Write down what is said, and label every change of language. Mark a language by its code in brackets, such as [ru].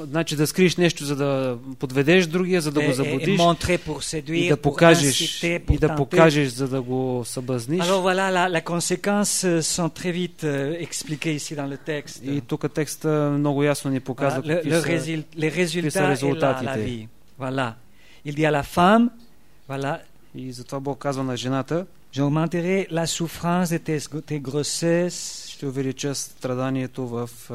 [bg] Значи да скриеш нещо за да подведеш другия, за да го заблудиш. [fr] Montrer pour séduire, [bg] и да покажеш и да покажеш за да го съблазниш. [fr] Alors voilà, la conséquence sont très vite expliquées ici dans le texte. [bg] И тук текстът много ясно ни показва какви са резултатите. Voilà. [fr] Il dit à la femme, voilà. [bg] И затова Бог казва на жената: [fr] J'augmenterai la souffrance de tes grossesses. [bg] Ще увелича страданието в